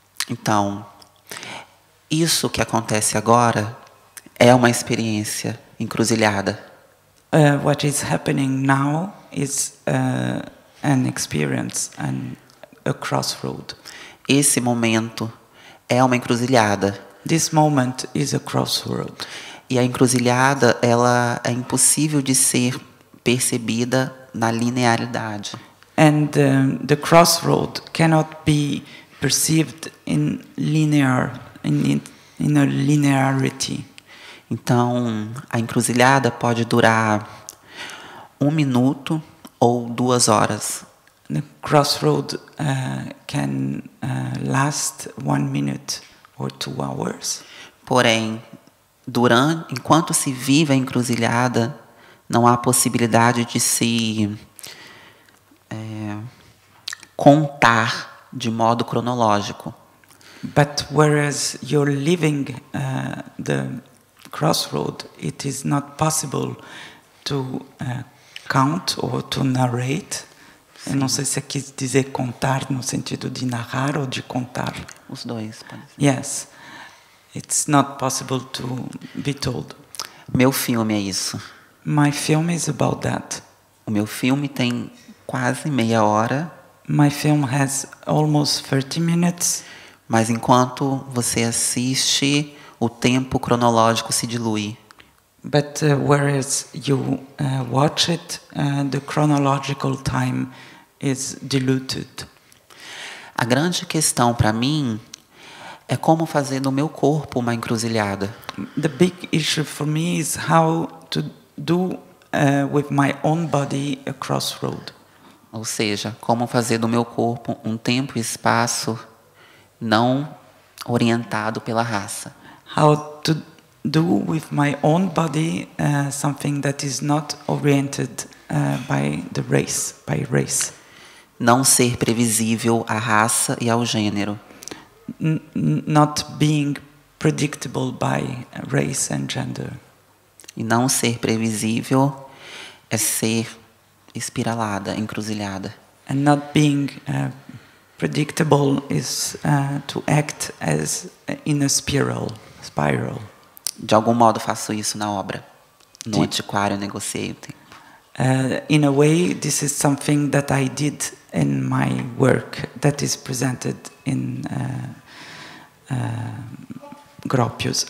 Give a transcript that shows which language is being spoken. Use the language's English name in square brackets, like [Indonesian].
[Portuguese] Então, isso que acontece agora é uma experiência encruzilhada. [English] What is happening now is an experience, a crossroad. [Portuguese] Esse momento é uma encruzilhada. [English] This moment is a crossroad. [Portuguese] E a encruzilhada, ela é impossível de ser percebida na linearidade. [English] And the crossroad cannot be perceived in linear, in a linearity. [Portuguese] Então, a encruzilhada pode durar um minuto ou duas horas. [English] The crossroad can last 1 minute or 2 hours. [Portuguese] Porém, durante, enquanto se vive a encruzilhada, não há possibilidade de se contar de modo cronológico. [English] But whereas you're living the crossroad, it is not possible to count or to narrate. [Portuguese] Sim. Eu não sei se quis dizer contar no sentido de narrar ou de contar. Os dois, pode ser. [English] Yes. It's not possible to be told. [Portuguese] Meu filme é isso. [English] My film is about that. [Portuguese] O meu filme tem quase meia hora. [English] My film has almost 30 minutes. [Portuguese] Mas enquanto você assiste, o tempo cronológico se dilui. [English] But whereas you watch it, the chronological time is diluted. [Portuguese] A grande questão para mim é como fazer no meu corpo uma encruzilhada. [English] The big issue for me is how to do with my own body a crossroad. [Portuguese] Ou seja, como fazer do meu corpo um tempo e espaço não orientado pela raça. [English] How to do with my own body something that is not oriented by the race, by race. [Portuguese] Não ser previsível à raça e ao gênero. [English] Not being predictable by race and gender. [Portuguese] E não ser previsível é ser espiralada, encruzilhada. [English] And not being predictable is to act as in a spiral. Spiral. [Portuguese] De algum modo faço isso na obra. No antiquário eu negociei o tempo. [English] In a way, this is something that I did in my work that is presented in Gropius.